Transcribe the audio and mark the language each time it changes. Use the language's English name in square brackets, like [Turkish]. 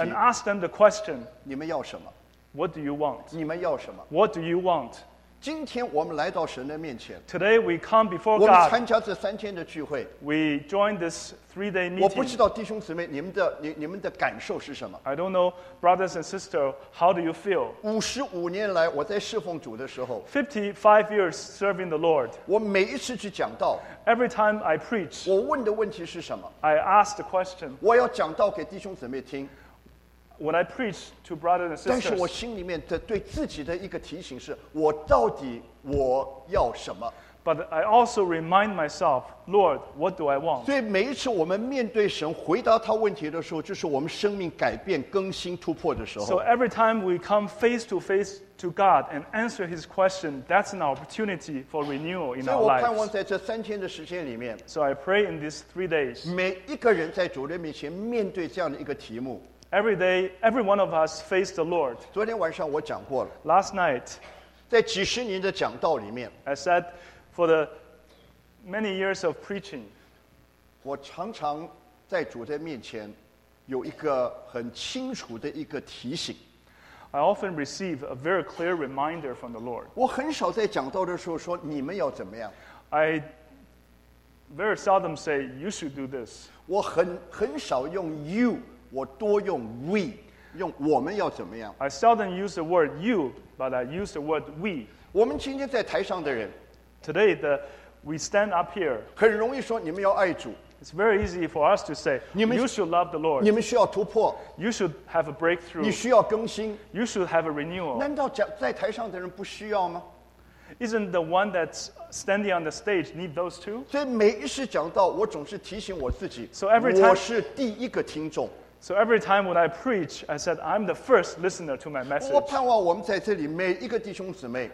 [English] and asked them the question, [Chinese] 你们要什么? [English] What do you want? [Chinese] 你们要什么? [English] What do you want? [Chinese] 今天我们来到神的面前, [English] today we come before God. [Chinese] 我们参加这三天的聚会, [English] we join this three-day meeting. [Chinese] 我不知道弟兄姊妹, 你们的感受是什么? [English] I don't know, brothers and sisters, how do you feel? [Chinese] 55年来, 我在侍奉主的时候, [English] 55 years serving the Lord. [Chinese] 我每一次去讲道, [English] every time I preach, [Chinese] 我问的问题是什么? [English] I ask the question. [Chinese] 我要讲道给弟兄姊妹听, [English] when I preach to brothers and sisters, [Chinese] 但是我心里面对自己的一个提醒是, 我到底我要什么? [English] But I also remind myself, Lord, what do I want? [Chinese] 所以每一次我们面对神回答他问题的时候, 就是我们生命改变更新突破的时候, [English] so every time we come face to face to God and answer his question, that's an opportunity for renewal in our lives. [Chinese] 所以我盼望在这三天的时间里面, [English] so I pray in these 3 days, [Chinese] 每一个人在主人面前面对这样的一个题目, [English] every day, every one of us face the Lord. [Chinese] 昨天晚上我讲过了, [English] last night, [Chinese] 在几十年的讲道里面, [English] I said, for the many years of preaching, [Chinese] 我常常在主的面前有一个很清楚的一个提醒, [English] I often receive a very clear reminder from the Lord. [Chinese] 我很少在讲道的时候说你们要怎么样, [English] I very seldom say, you should do this. [Chinese] 我很少用you, 我多用we, 用我们要怎么样? [English] I seldom use the word you, but I use the word we. [Chinese] 我们今天在台上的人, [English] today, we stand up here. [Chinese] 很容易说你们要爱主, [English] it's very easy for us to say, [Chinese] 你们, [English] you should love the Lord. [Chinese] 你们需要突破, [English] you should have a breakthrough. [Chinese] 你需要更新, [English] you should have a renewal. [Chinese] 难道在台上的人不需要吗? [English] Isn't the one that's standing on the stage need those two? [Chinese] 所以每一次讲道, 我总是提醒我自己, [English] so every time, [Chinese] 我是第一个听众, [English] so every time when I preach, I said, I'm the first listener to my message. [Chinese] 我盼望我们在这里每一个弟兄姊妹,